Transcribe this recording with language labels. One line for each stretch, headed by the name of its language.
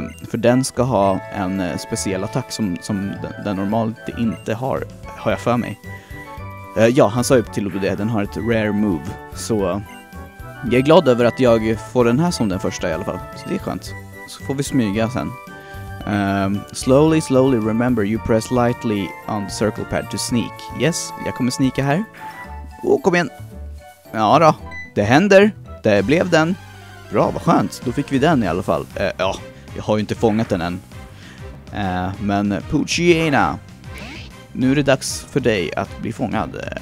Swedish: För den ska ha en speciell attack som den normalt inte har. Har jag för mig. Ja, han sa ju till och med det. Den har ett rare move. Så jag är glad över att jag får den här som den första i alla fall. Så det är skönt. Så får vi smyga sen.
English: Slowly, slowly, remember you press lightly on the circle pad to sneak.
Swedish: Yes, jag kommer sneaka här. Åh, kom igen. Ja då, det händer. Det blev den. Bra, vad skönt. Då fick vi den i alla fall. Ja, jag har ju inte fångat den än. Men Poochyena, nu är det dags för dig att bli fångad.